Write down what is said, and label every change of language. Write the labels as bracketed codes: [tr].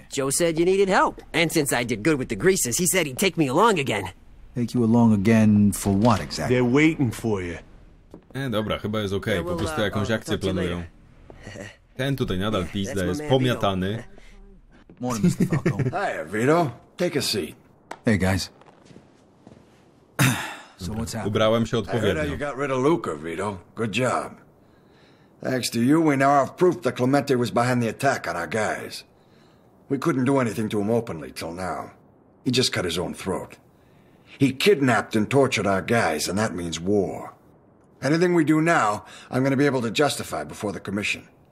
[en] Joe said you needed help. And since I did good with the greases, he said he'd take me along again. Take you along again for what exactly? They're waiting for you. [pl] Dobra, chyba jest okej. Okay. Po prostu jakąś akcję planują. Ten tutaj nadal pizda, jest pomiatany. [en] Morning, Mr. Falcone. Hi, Vito. Take a seat. Hey, guys. So what's happened? [pl] Ubrałem się odpowiednio. [en] I heard you got rid of Luca, Vito. Good job. Thanks to you, we now have proof that Clemente was behind the attack on our guys. We couldn't do anything to him openly till now. He just cut his own throat. He kidnapped and tortured our guys, and that means war. Anything we do now, I'm going to be able to justify before the commission.